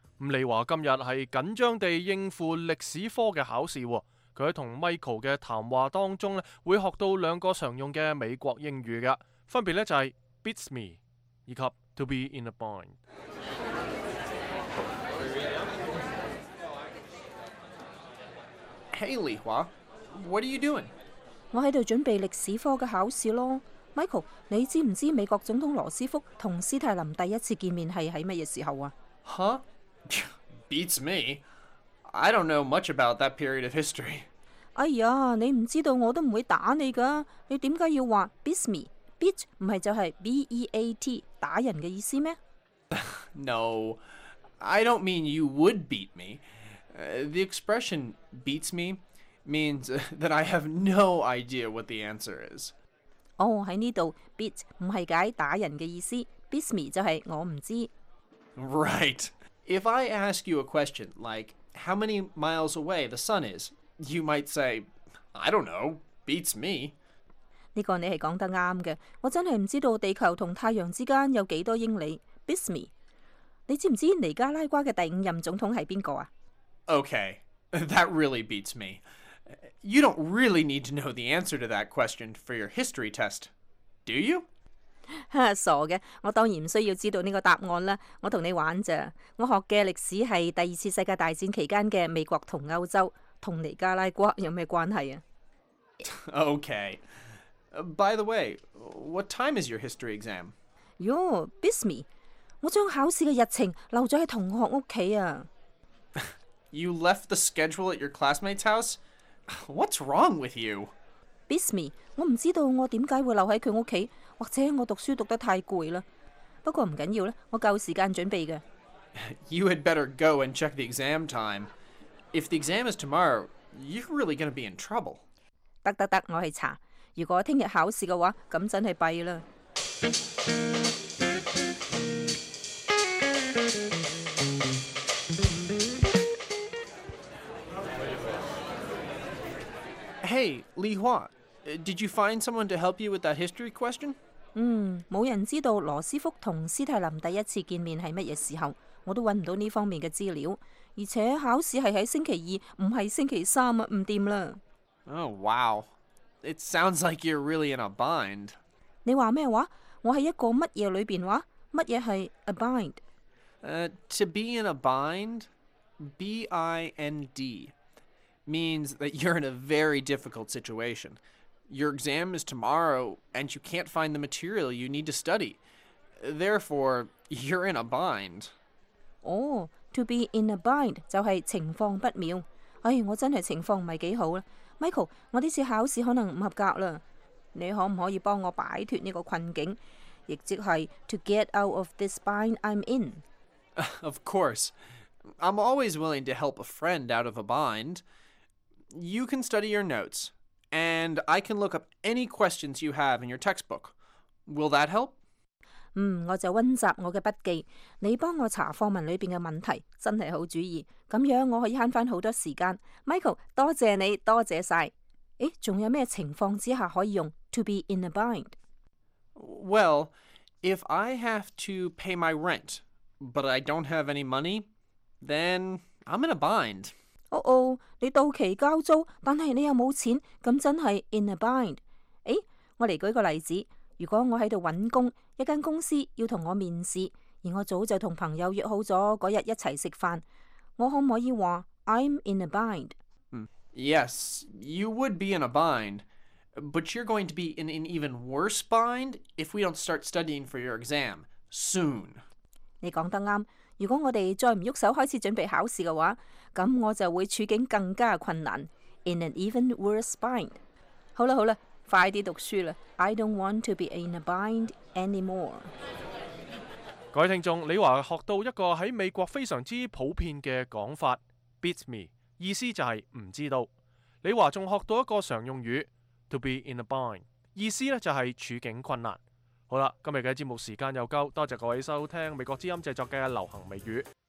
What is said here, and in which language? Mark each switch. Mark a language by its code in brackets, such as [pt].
[zh] 伍俐华今日是紧张地应付历史科的考试，他在和 Michael 的谈话当中会学到两个常用的美国英语，分别就是 Beats me 以及 To be in a bind。 [en] Hey, Li Hua, what are you doing? [zh] 我在准备历史科的考试咯。Michael, 你知不知道美国总统罗斯福和斯泰林第一次见面是在什么时候啊？ [en] Huh? Beats me. I don't know much about that period of history. [zh] 哎呀，你不知道我都不会打你的。你为什么要说 beats me? Beat 不是就是 B-E-A-T, 打人的意思吗？ [en] No, I don't mean you would beat me. The expression beats me means that I have no idea what the answer is. [zh] Oh, 在这里 beat 不是解打人的意思， beats me 就是我不知道。 [en] Right. If I ask you a question like how many miles away the sun is, you might say, I don't know, beats me. [zh] 这个你是说得对的，我真的不知道地球和太阳之间有多少英里， beats me. 你知不知道尼加拉瓜的第五任总统是谁啊？ [en] Okay, that really beats me. You don't really need to know the answer to that question for your history test, do you? [zh] 傻的，我当然不需要知道这个答案了，我和你玩而已。我学的历史是第二次世界大战期间的美国和欧洲，和尼加拉瓜有什么关系啊？ [en] Okay. By the way, what time is your history exam? Yo, beats me. [zh] 我将考试的日程留在同学家啊。 [en] You left the schedule at your classmate's house? What's wrong with you? Beats me. [zh] 我不知道我为什么会留在他家，或者我读书读得太累了。不过不要紧，我够时间准备的。 [en] You had better go and check the exam time. If the exam is tomorrow, you're really going to be in trouble. [zh] 得，我去查。如果明天考试的话，那真是糟了。 [en] Hey, Li Hua, did you find someone to help you with that history question? [zh] 没人知道罗斯福和斯泰林第一次见面是什么时候，我都找不到这方面的资料。而且考试是在星期二，不是星期三，不行了。 [en] Oh, wow. It sounds like you're really in a bind. [zh] 你说什么？我在一个什么里面？什么是 a bind? [en] To be in a bind, B-I-N-D. Means that you're in a very difficult situation. Your exam is tomorrow, and you can't find the material you need to study. Therefore, you're in a bind. [zh] Oh, to be in a bind 就是情况不妙。哎，我真的情况不太好。 Michael, 我这次考试可能不合格了。你可不可以帮我摆脱这个困境？亦即是 [en] to get out of this bind I'm in. Of course. I'm always willing to help a friend out of a bind. You can study your notes, and I can look up any questions you have in your textbook. Will that help? [zh] 我就温习我的笔记，你帮我查课文里面的问题，真是好主意。这样我可以悭回很多时间。Michael, 多谢你，多谢晒。诶，还有什么情况之下可以用 to be in a bind? [en] Well, if I have to pay my rent, but I don't have any money, then I'm in a bind. [zh] Oh, 你到期交租，但是你又没钱，那真是 in a bind。诶，我来举个例子，如果我在这里找工，一间公司要和我面试，而我早就和朋友约好了那天一起吃饭，我可不可以说 [en] I'm in a bind? Yes, you would be in a bind, but you're going to be in an even worse bind if we don't start studying for your exam soon. [zh] 你说得对，如果我们再不动手开始准备考试的话，那我就会处境更加困难。 [en] In an even worse bind. [zh] 好了好了，快点读书了。 [en] I don't want to be in a bind anymore。 [zh] 各位听众，李华学到一个在美国非常之普遍的讲法 Beat me， 意思就是不知道。李华还学到一个常用语 To be in a bind， 意思就是处境困难。好了，今天的节目时间又够，多谢各位收听美国之音制作的流行微语。